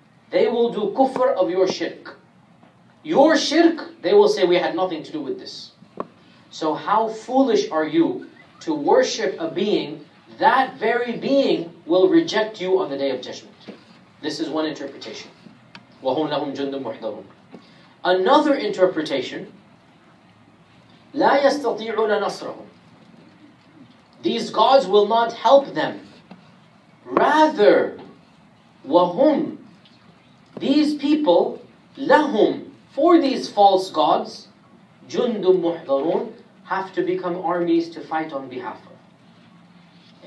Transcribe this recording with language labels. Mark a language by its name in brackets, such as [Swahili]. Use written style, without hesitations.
[English] They will do kufr of your shirk. Your shirk, they will say, we had nothing to do with this. So how foolish are you to worship a being that very being will reject you on the day of judgment. This is one interpretation. [Arabic] وَهُمْ لَهُمْ جُنْدٌ مُحْضَرُونَ. [English] Another interpretation, [Arabic] لَا يَسْتَطِيعُونَ نَصْرَهُمْ. [English] These gods will not help them. Rather, [Arabic] وَهُمْ, [English] these people, [Arabic] لَهُمْ, [English] for these false gods, [Arabic] جُنْدٌ مُحْضَرُونَ, [English] have to become armies to fight on behalf of.